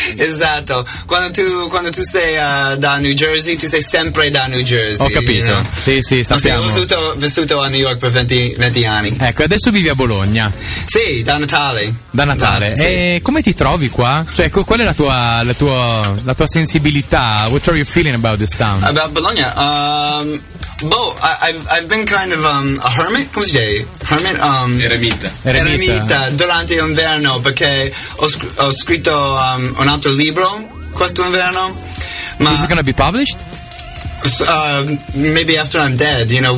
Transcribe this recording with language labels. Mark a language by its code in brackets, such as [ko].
[it] Esatto, quando tu sei da New Jersey, tu sei sempre da New Jersey. Ho capito, [en] you know? [it] Sì, sappiamo. Ho vissuto a New York per 20 anni. Ecco, adesso vivi a Bologna. Sì, da Natale. Da Natale, sì. E come ti trovi qua? Cioè, qual è la tua sensibilità? [en] What are you feeling about this town? About Bologna? I've been kind of a hermit. [it] Come si dice? Hermit? Eremita durante l'inverno, perché ho scritto un altro libro questo inverno. Ma [en] is it gonna be published? Maybe after I'm dead, you know.